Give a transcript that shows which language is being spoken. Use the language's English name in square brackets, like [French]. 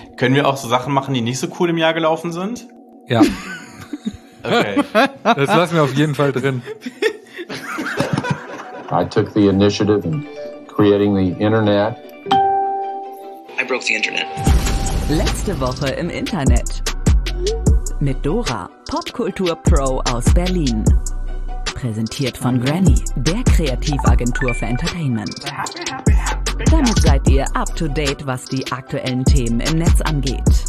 [German] Können wir auch so Sachen machen, die nicht so cool im Jahr gelaufen sind? Ja. Okay. Das lassen wir auf jeden Fall drin. [English] I took the initiative in creating the internet. I broke the internet. [German] Letzte Woche im Internet. Mit Dora, Popkultur-Pro aus Berlin. Präsentiert von Granny, der Kreativagentur für Entertainment. Damit seid ihr up to date, was die aktuellen Themen im Netz angeht.